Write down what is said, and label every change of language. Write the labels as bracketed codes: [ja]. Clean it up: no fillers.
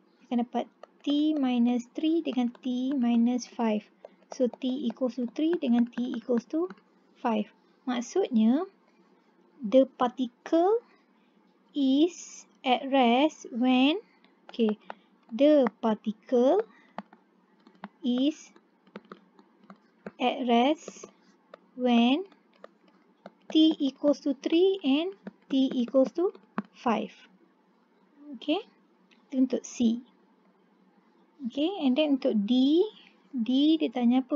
[ms] Kita dapat T minus 3 dengan T minus 5. [en] So, T equals to 3 [ms] dengan T equals to 5. Maksudnya, [en] the particle is at rest when, okay, the particle is at rest when t equals to 3 and t equals to 5. [ms] Okay, itu untuk C. Okay, [en] and then [ms] untuk D, D dia tanya apa?